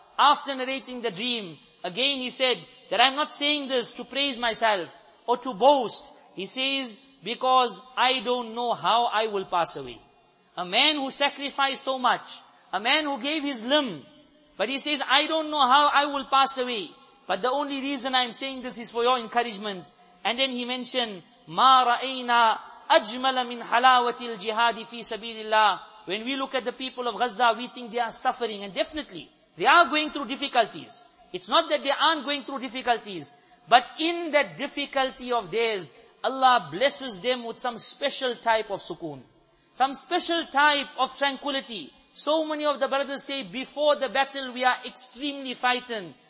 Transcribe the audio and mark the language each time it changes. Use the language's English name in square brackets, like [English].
[English] After narrating the dream, again he said, that I'm not saying this to praise myself or to boast. He says, because I don't know how I will pass away. A man who sacrificed so much, a man who gave his limb, but he says, I don't know how I will pass away. But the only reason I'm saying this is for your encouragement. And then he mentioned, [Arabic] مَا رَأَيْنَا أَجْمَلَ مِنْ حَلَاوَةِ الْجِهَادِ فِي سَبِيلِ اللَّهِ. [English] When we look at the people of Gaza, we think they are suffering. And definitely, they are going through difficulties. It's not that they aren't going through difficulties. But in that difficulty of theirs, Allah blesses them with some special type of sukoon. Some special type of tranquility. So many of the brothers say, before the battle, we are extremely frightened.